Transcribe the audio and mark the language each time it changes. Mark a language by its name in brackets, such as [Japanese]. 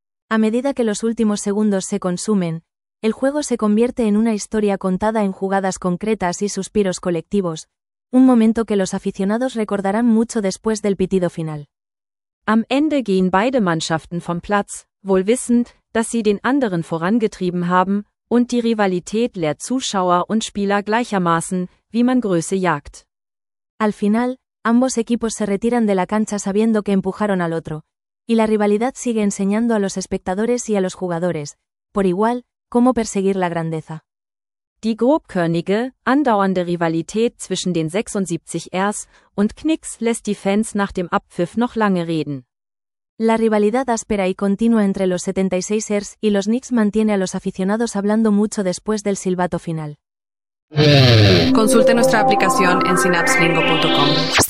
[Spanish] A medida que los últimos segundos se consumen, el juego se convierte en una historia contada en jugadas concretas y suspiros colectivos, un momento que los aficionados recordarán mucho después del pitido final. [German] Am Ende gehen beide Mannschaften vom Platz, wohl wissend, dass sie den anderen vorangetrieben haben, und die Rivalität lehrt Zuschauer und Spieler gleichermaßen, wie man Größe jagt. [Spanish] Al final, ambos equipos se retiran de la cancha sabiendo que empujaron al otro, y la rivalidad sigue enseñando a los espectadores y a los jugadores, por igual, cómo perseguir la grandeza. [German] Die grobkörnige, andauernde Rivalität zwischen den 76ers und Knicks lässt die Fans nach dem Abpfiff noch lange reden. [Spanish] La rivalidad áspera y continua entre los 76ers y los Knicks mantiene a los aficionados hablando mucho después del silbato final. Consulte nuestra aplicación en synapslingo.com.